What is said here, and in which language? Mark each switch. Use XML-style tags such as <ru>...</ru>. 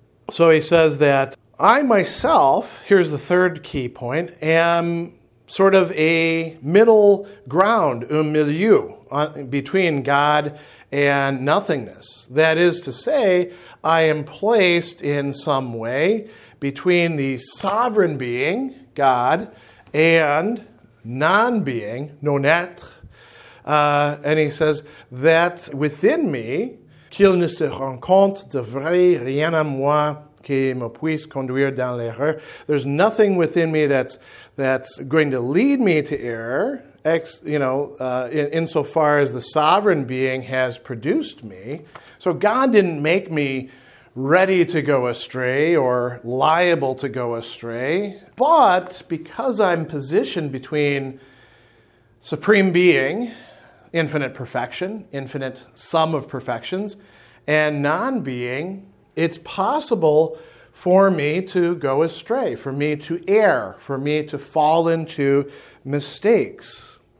<en>So he says that I myself, here's the third key point, am sort of a middle ground, milieu, between God and nothingness. That is to say, I am placed in some way between the sovereign being, God, and non-being, non-être. And he says that within me,</en> <fr>qu'il ne se rencontre de vrai rien à moi qui me puisse conduire dans l'erreur.</fr> <en>There's nothing within me that's going to lead me to error, insofar as the sovereign being has produced me. So God didn't make me ready to go astray or liable to go astray, but because I'm positioned between supreme being, infinite perfection, infinite sum of perfections, and non-being, it's possible for me to go astray, for me to err, for me to fall into mistakes.</en>